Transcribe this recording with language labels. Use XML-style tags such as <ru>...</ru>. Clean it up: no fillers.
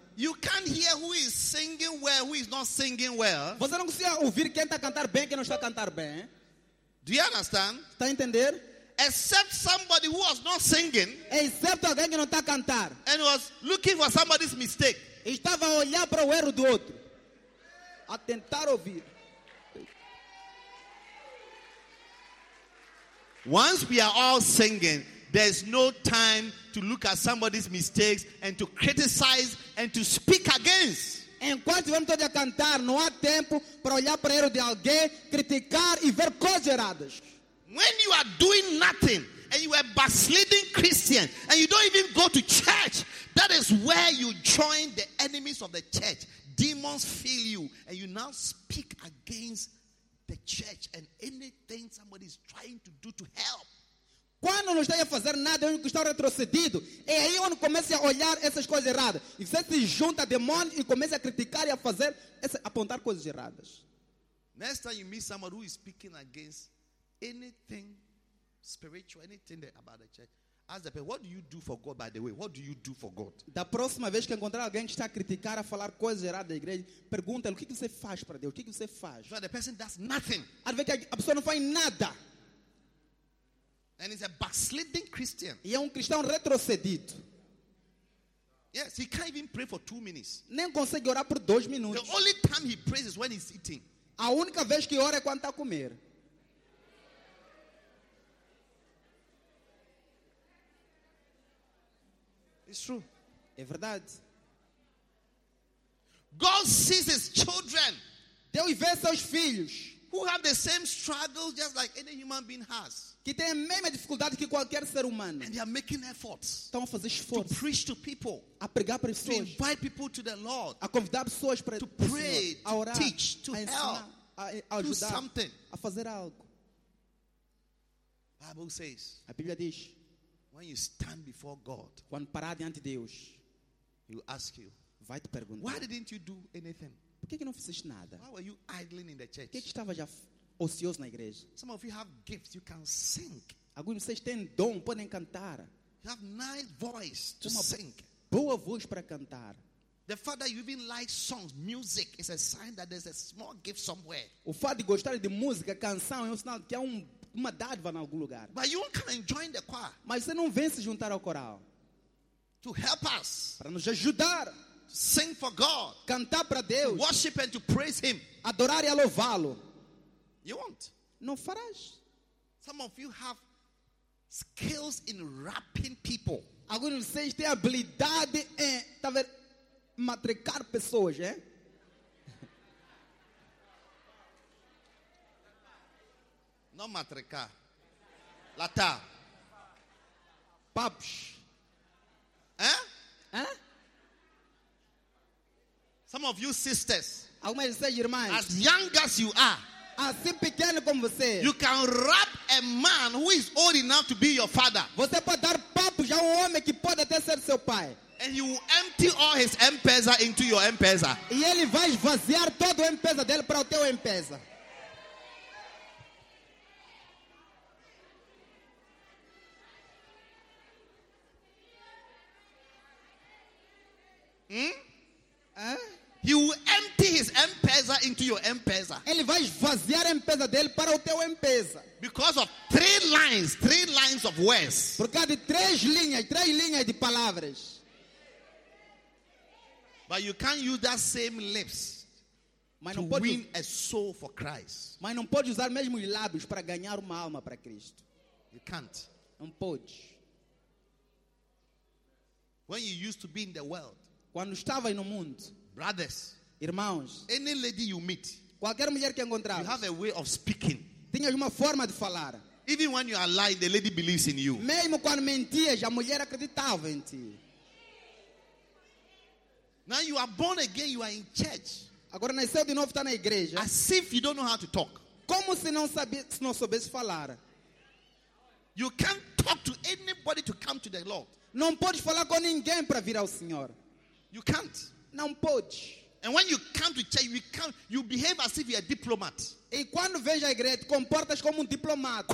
<en>you can't hear who is singing well, who is not singing well.</en> <pt>Você não consegue ouvir quem está a cantar bem, quem não está a cantar bem.</pt> <en>Do you understand?</en> <pt>Está a entender?</pt> <en>Except somebody who was not singing,</en> <pt>excepto alguém que não está a cantar,</pt> <en>and was looking for somebody's mistake.</en> <pt>Estava a olhar para o erro do outro, a tentar ouvir.</pt> <en>Once we are all singing, there's no time to look at somebody's mistakes and to criticize and to speak against.</en> <pt>Enquanto vamos todos a cantar, não há tempo para olhar para erro de alguém, criticar e ver coisas erradas.</pt> <en>When you are doing nothing and you are backsliding Christian and you don't even go to church, that is where you join the enemies of the church. Demons fill you and you now speak against the church and anything somebody is trying to do to help.</en> <pt>Quando não está a fazer nada, é onde está retrocedido. É aí onde começa a olhar essas coisas erradas. E você se junta a demônio e começa a criticar e a fazer, a apontar coisas erradas.</pt> <en>Next time you meet someone who is speaking against anything spiritual, anything about the church, ask the person, what do you do for God, by the way? What do you do for God?</en> <pt>Da próxima vez que encontrar alguém que está a criticar, a falar coisas erradas da igreja, pergunta-lhe, o que você faz para Deus? O que você faz?</pt> <en>The person does nothing.</en> <pt>A ver que a pessoa não faz nada.</pt> <en>And he's a backsliding Christian.</en> <pt>E é cristão retrocedido.</pt> <en>Yes, he can't even pray for 2 minutes.</en> <pt>Nem consegue orar por 2 minutos.</pt> <en>The only time he prays is when he's eating.</en> <pt>A única vez que ora é quando está a comer.</pt> <en>It's true.</en> <pt>É verdade.</pt> <en>God sees his children.</en> <pt>Deus vê seus filhos.</pt> <en>Who have the same struggles just like any human being has.</en> <pt>Que tem a mesma dificuldade que qualquer ser humano.</pt> <en>And they are making efforts.</en> <pt>Estão a fazer esforço.</pt> <en>To preach to people.</en> <pt>A pregar para pessoas.</pt> <en>To invite people to the Lord.</en> <pt>A convidar pessoas para</pt> <en>to pray,</en> <pt>a orar,</pt> <en>to teach, to</en> <pt>a ensinar,</pt> <en>help,</en> <pt>a ajudar,</pt> <en>do something.</en> <pt>A fazer algo.</pt> <en>Bible says.</en> <pt>A Bíblia diz.</pt> <en>When you stand before God.</en> <pt>Quando parar diante de Deus.</pt> <en>He will ask you.</en> <pt>Vai te perguntar.</pt> <en>Why didn't you do anything?</en> <pt>Por que não fizeste nada?</pt> <en>Why were you idling in the church?</en> <pt>Que estava já ocioso na igreja?</pt> <en>Some of you have gifts, you can sing.</en> <pt>Alguns de vocês têm dom, podem cantar.</pt> <en>You have nice voice to sing.</en> <pt>Boa voz para cantar.</pt> <en>The fact that you even like songs, music, is a sign that there's a small gift somewhere.</en> <pt>O fato de gostar de música, canção, é um sinal que há uma dádiva em algum lugar.</pt> <en>But you can't join the choir.</en> <pt>Mas você não vem se juntar ao coral.</pt> <en>To help us.</en> <pt>Para nos ajudar.</pt> <en>Sing for God.</en> <pt>Cantar para Deus.</pt> <en>To worship and to praise Him.</en> <pt>Adorar e a louvá-lo.</pt> <en>You won't.</en> <pt>Não farás.</pt> <en>Some of you have skills in rapping people.</en> <pt>Alguns de vocês têm habilidade em matricar pessoas, hein? Não matricar. Lata. Paps. Hein? Hein?</pt> <en>Some of you sisters.</en> <pt>Algumas de vocês irmãs.</pt> <en>As young as you are.</en> <pt>Assim pequeno como você.</pt> <en>You can rap a man who is old enough to be your father.</en> <pt>Você pode dar papo já homem que pode até ser seu pai.</pt> <en>And you empty all his M-Pesa into your M-Pesa.</en> <pt>E ele vai esvaziar todo o M-Pesa dele para o teu M-Pesa.</pt> <en>Yeah. He will empty his empresa into your empresa.</en> <pt>Ele vai esvaziar a empresa dele para o teu empresa.</pt> <en>Because of three lines of words.</en> <pt>Por causa de três linhas de palavras.</pt> <en>But you can't use that same lips to pode, win a soul for Christ.</en> <pt>Mas não pode usar mesmo os lábios para ganhar uma alma para Cristo.</pt> <en>You can't.</en> <pt>Não pode.</pt> <en>When you used to be in the world.</en> <pt>Quando estava no mundo.</pt> <en>Brothers,</en> <pt>irmãos,</pt> <en>any lady you meet,</en> <pt>qualquer mulher que encontrar,</pt> <en>you have a way of speaking.</en> <pt>Tinhas uma forma de falar.</pt> <en>Even when you are lying, the lady believes in you.</en> <pt>Mesmo quando mentias, a mulher acreditava em ti.</pt> <en>Now you are born again, you are in church.</en> <pt>Agora nasceu de novo, está na igreja.</pt> <en>As if you don't know how to talk.</en> <pt>Como se não soubesse falar.</pt> <en>You can't talk to anybody to come to the Lord.</en> <pt>Não podes falar com ninguém para vir ao Senhor.</pt> <en>You can't.</en> <pt>Não pode.</pt> <en>And when you come to church, you behave as if you are a diplomat.</en> <pt>E quando vens à igreja, te comportas como diplomata.</pt>